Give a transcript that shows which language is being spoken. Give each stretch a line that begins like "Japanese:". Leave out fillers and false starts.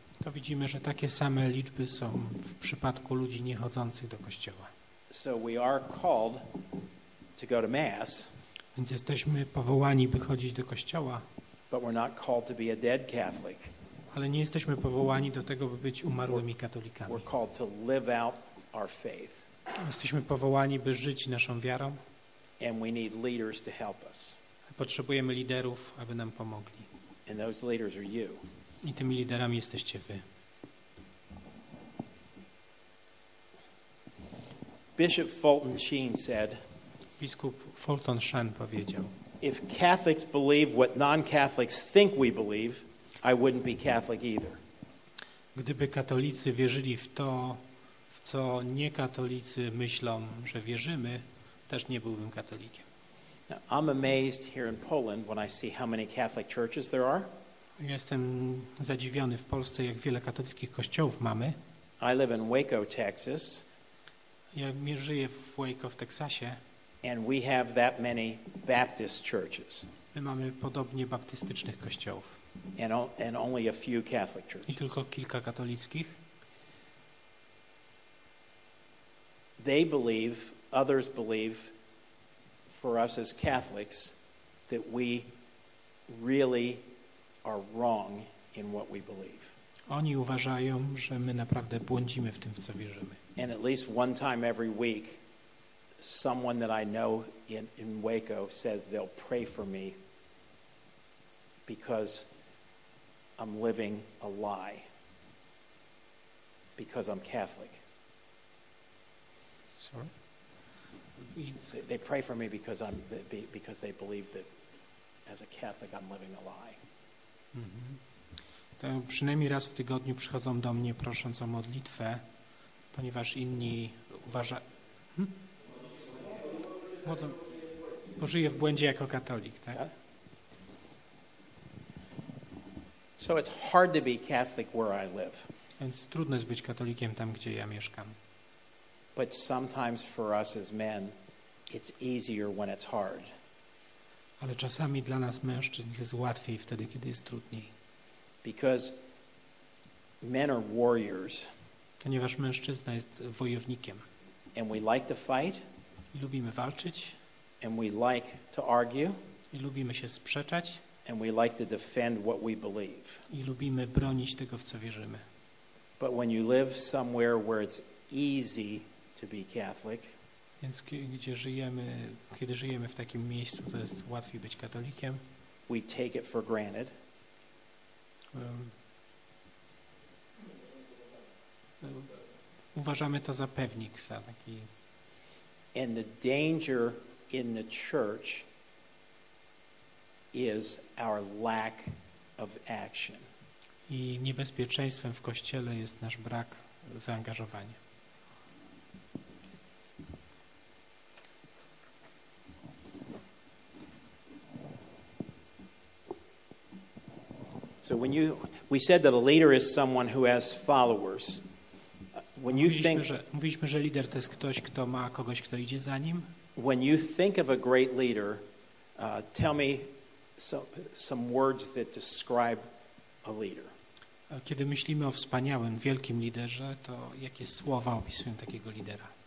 Polish: To widzimy, że takie same liczby są w przypadku ludzi niechodzących do kościoła.
English: So we are called to go to mass.
Polish: Więc jesteśmy powołani, by chodzić do kościoła.
English: But we're not called to be a dead Catholic.
Polish: Ale nie jesteśmy powołani do tego, by być umarłymi katolikami.
English: We're called to live out our faith.
Polish: Jesteśmy powołani, by żyć naszą wiarą.
English: And we need leaders to help us.
Polish: Potrzebujemy liderów, aby nam pomogli.
English: And those leaders are you.
Polish: I tymi liderami jesteście wy.
English: Bishop Fulton Sheen said,
Polish: biskup Fulton Sheen powiedział:
English: if Catholics believe what non-Catholics think we believe, I wouldn't be Catholic either.
Polish: Gdyby katolicy wierzyli w to, w co niekatolicy myślą, że wierzymy, też nie byłbym katolikiem.
English: I'm amazed here in Poland when I see how many Catholic churches there are.
Polish: Jestem zadziwiony w Polsce, jak wiele katolickich kościołów mamy.
English: I live in Waco, Texas.
Polish: Ja żyję w Waco, w Teksasie.
English: And we have that many Baptist churches.
Polish: My mamy podobnie baptystycznych kościołów.
English: And only a few Catholic churches.
Polish: I tylko kilka katolickich.
English: They believe, others believe, for us as Catholics, that we really are wrong in what we believe.
Polish: Oni uważają, że my naprawdę błądzimy w tym, w co wierzymy.
English: And at least one time every week, someone that I know in Waco says they'll pray for me because I'm living a lie, because I'm Catholic. Sorry? They pray for me because I'm because they believe that as a Catholic I'm living a lie. Mm-hmm.
Polish: To przynajmniej raz w tygodniu przychodzą do mnie prosząc o modlitwę, ponieważ inni uważają. Bo żyję w błędzie jako katolik, tak?
English: So it's hard to be Catholic where I live.
Polish: Więc trudno jest być katolikiem tam, gdzie ja mieszkam.
English: But sometimes for us as men, it's easier when it's hard.
Polish: Ale czasami dla nas mężczyzn jest łatwiej wtedy, kiedy jest trudniej.
English: Because men are warriors.
Polish: Ponieważ mężczyzna jest wojownikiem.
English: And we like to fight.
Polish: I lubimy walczyć.
English: And we like to argue.
Polish: I lubimy się sprzeczać.
English: And we like to defend what we believe.
Polish: I lubimy bronić tego, w co wierzymy.
English: But when you live somewhere where it's easy to be Catholic.
Polish: Więc gdzie żyjemy, kiedy żyjemy w takim miejscu, to jest łatwiej być katolikiem.
English: We take it for granted.
Polish: Uważamy to za pewnik, za taki.
English: And the danger in the church is our lack of action.
Polish: I niebezpieczeństwem w kościele jest nasz brak zaangażowania.
English: So when you, we said that a leader is someone who has followers. When you think,
Polish: mówiliśmy, że lider to jest ktoś, kto ma kogoś, kto idzie za nim.
English: When you think of a great leader, tell me some words that describe a leader.
Polish: Kiedy myślimy o wspaniałym, wielkim liderze, to jakie słowa opisują takiego lidera?